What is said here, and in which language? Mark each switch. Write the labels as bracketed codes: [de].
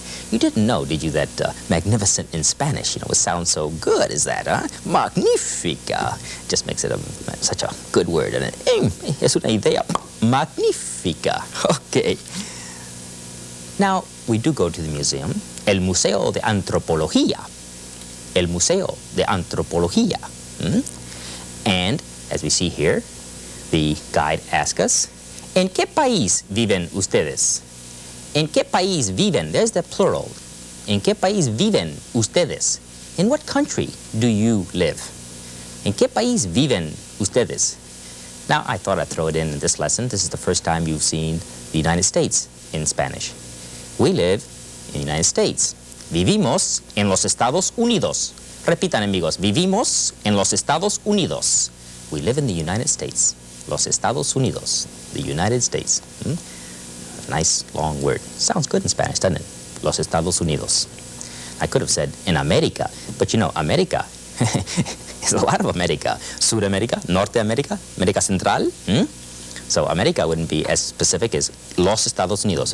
[en] You didn't know, did you, that magnificent in Spanish, you know, it sounds so good as that, huh? Magnífica. Just makes it such a good word. [es] And es una idea magnífica. Okay. [en] Now, we do go to the museum. [es] El Museo de Antropología. El Museo de Antropología. [en] And, as we see here, the guide asks us, [es] ¿En qué país viven ustedes? ¿En qué país viven? [en] There's the plural. [es] ¿En qué país viven ustedes? [en] In what country do you live? [es] ¿En qué país viven ustedes? [en] Now, I thought I'd throw it in this lesson. This is the first time you've seen the United States in Spanish. We live in the United States. [es] Vivimos en los Estados Unidos. Repitan, amigos. Vivimos en los Estados Unidos. [en] We live in the United States. Los Estados Unidos. The United States. Nice, long word. Sounds good in Spanish, doesn't it? Los Estados Unidos. I could have said in America, but you know, America is a lot of America. Sudamerica, Norte America, America Central. So America wouldn't be as specific as Los Estados Unidos.